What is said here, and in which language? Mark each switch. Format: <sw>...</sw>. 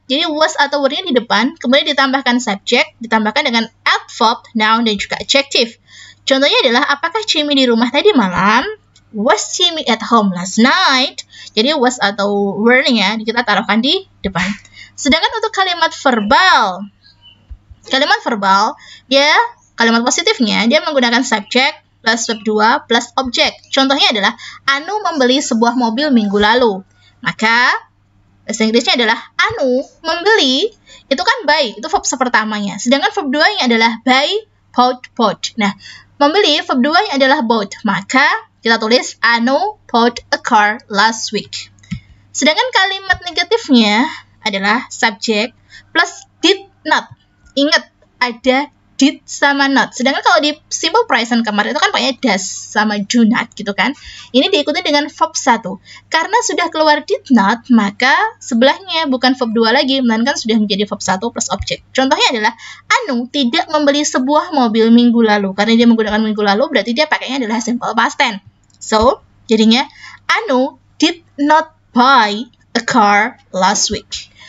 <id>Jadi was atau were-nya di depan, kemudian ditambahkan subject, ditambahkan dengan adverb, noun, dan juga adjective. Contohnya adalah, apakah Jimmy di rumah tadi malam?</id> <en>Was Jimmy at home last night?</en> <id>Jadi was atau were-nya kita taruhkan di depan. Sedangkan untuk kalimat verbal, dia kalimat positifnya, dia menggunakan subject plus verb 2 plus object. Contohnya adalah, Anu membeli sebuah mobil minggu lalu. Maka, bahasa Inggrisnya adalah, Anu membeli, itu kan buy, itu verb sepertamanya. Sedangkan verb 2-nya adalah buy, bought. Nah, membeli, verb 2-nya adalah bought. Maka, kita tulis,</id> <en>Anu bought a car last week.</en> <id>Sedangkan kalimat negatifnya, adalah subject plus did not. Ingat, ada did sama not. Sedangkan kalau di simple present kemarin itu kan pakai does sama do not gitu kan. Ini diikuti dengan verb 1. Karena sudah keluar did not, maka sebelahnya bukan verb 2 lagi, melainkan sudah menjadi verb 1 plus object. Contohnya adalah Anu tidak membeli sebuah mobil minggu lalu. Karena dia menggunakan minggu lalu, berarti dia pakainya adalah simple past tense.</id> <en>So,</en> <id>jadinya</id> <en>Anu did not buy a car last week.</en>